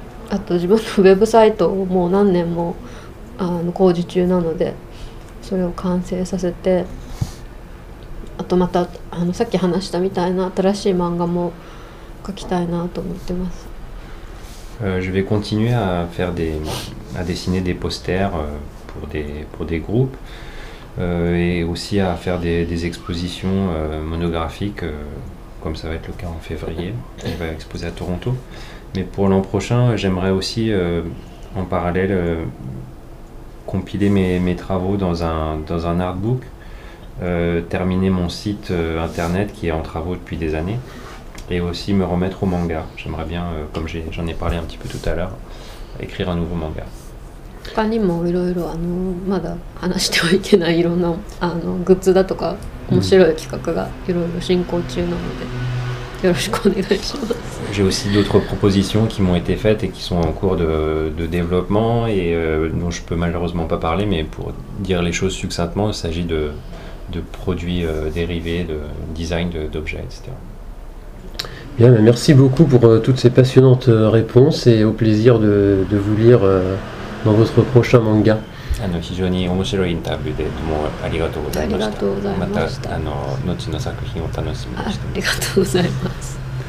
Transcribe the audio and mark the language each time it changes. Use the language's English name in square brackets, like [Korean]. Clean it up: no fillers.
[Japanese] あと自分のウェブサイトをもう何年も工事中なので、それを完成させて、あとまたさっき話したみたいな新しい漫画も描きたいなと思ってます。 [French] Je vais continuer à faire à dessiner des posters pour des groupes. Et aussi à faire des expositions monographiques, comme ça va être le cas en février. On va exposer à Toronto. Mais pour l'an prochain, j'aimerais aussi, en parallèle, compiler mes travaux dans un artbook, terminer mon site internet qui est en travaux depuis des années, et aussi me remettre au manga. J'aimerais bien, comme j'en ai parlé un petit peu tout à l'heure, écrire un nouveau manga. [Japanese] 他にもいろいろまだ話してはいけないいろんなグッズだとか面白い企画がいろいろ進行中なので、よろしくお願いします。 [French] J'ai aussi d'autres propositions qui m'ont été faites et qui sont en cours de développement et dont je peux malheureusement pas parler, mais pour dire les choses succinctement, il s'agit de produits dérivés, de design d'objets, etc. Bien, merci beaucoup pour toutes ces passionnantes réponses et au plaisir de vous lire dans votre prochain manga. [Japanese] 非常に面白いインタビューで、どうもありがとうございました。また後の作品を楽しみにしてます。ありがとうございます。